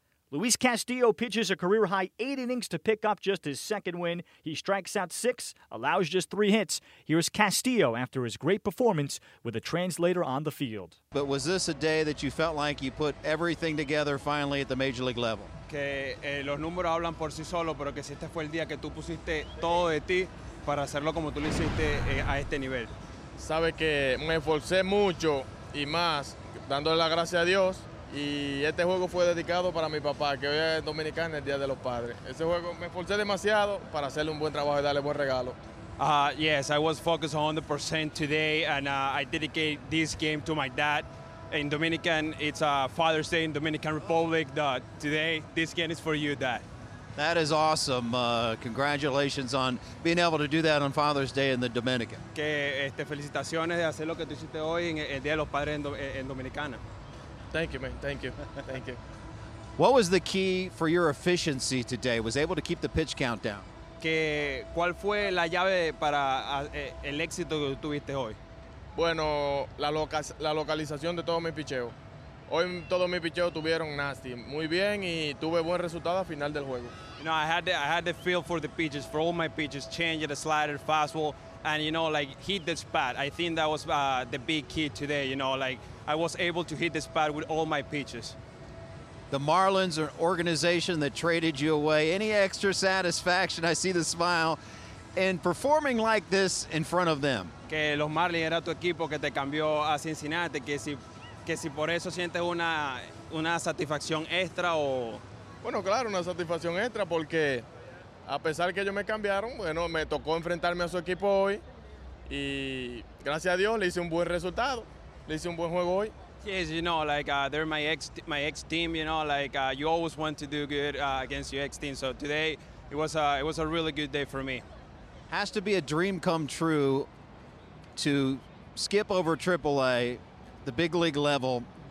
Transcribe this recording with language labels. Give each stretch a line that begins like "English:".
English: Luis Castillo pitches a career-high 8 innings to pick up just his second win. He strikes out 6, allows just 3 hits. Here's Castillo after his great performance with a translator on the field. But was this a day that you felt like you put everything together finally at the major league level?
Spanish: Que los números hablan por sí solos, pero que si este fue el día que tú pusiste todo de ti para hacerlo como tú lo hiciste a este nivel. Sabe que me esforcé mucho y más, dándole la gracia a Dios. Y este juego fue dedicado para mi papá, que hoy es dominicano, el Día de los Padres. Ese juego me esforcé demasiado para hacerle un buen trabajo y darle buen regalo.
English: Yes, I was focused 100% today, and I dedicate this game to my dad. In Dominican, it's Father's Day in Dominican Republic. Today, this game is for you, Dad. That is awesome. Congratulations on being able to do that on Father's Day in the Dominican.
Spanish: Que felicitaciones de hacer lo que tú hiciste hoy en el Día de los Padres en Dominicana.
English: Thank you, man. Thank you. Thank you. What was the key for your efficiency today? Was able to keep the pitch count down.
Spanish: Que cuál fue la llave para el éxito que tuviste hoy? Bueno, la localización de todos mis picheos. Hoy todos mis picheos tuvieron nasty, muy bien y tuve buen resultado al final del juego.
English: You know, I had the feel for the pitches, for all my pitches, changing the slider, fastball, and you know, like hit the spot. I think that was the big key today. You know, like I was able to hit the spot with all my pitches. The Marlins are an organization that traded you away. Any extra satisfaction? I see the smile. And performing like this in front of them.
Spanish: Que los Marlins era tu equipo que te cambió a Cincinnati, que si. Que si por eso sientes una satisfacción extra o bueno claro una satisfacción extra porque a pesar que ellos me cambiaron, bueno, me tocó enfrentarme a su equipo hoy. Y gracias a Dios le hice un buen resultado, le hice un buen juego hoy.
English: Yes, you know, like they're my ex team, you know, like you always want to do good against your ex team. So today it was a really good day for me. Has to be a dream come true to skip over AAA, the big league level.